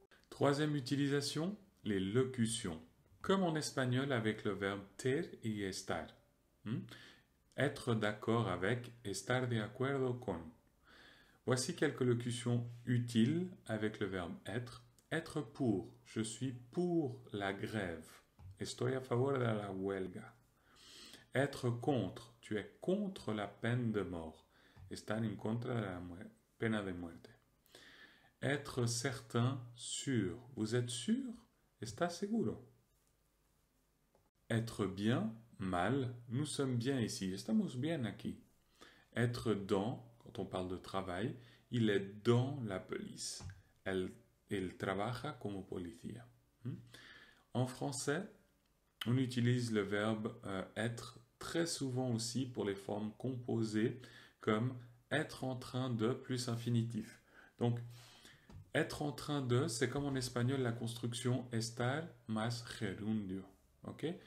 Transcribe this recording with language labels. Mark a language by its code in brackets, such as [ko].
[fr] Troisième utilisation, les locutions. Comme en espagnol avec le verbe [es] ter y estar. [fr] Être d'accord avec, [es] estar de acuerdo con. [fr] Voici quelques locutions utiles avec le verbe être. Être pour, je suis pour la grève. [es] Estoy a favor de la huelga. [fr] Être contre. Tu es contre la peine de mort. [es] Estar en contra de la pena de muerte. [fr] Être certain, sûr. Vous êtes sûr? [es] Está seguro. [fr] Être bien, mal. Nous sommes bien ici. [es] Estamos bien aquí. [fr] Être dans, quand on parle de travail, il est dans la police. [es] Él trabaja como policía. [fr] En français, on utilise le verbe être très souvent aussi pour les formes composées comme être en train de plus infinitif. Donc, être en train de, c'est comme en espagnol la construction [es] estar más gerundio. [fr] Ok?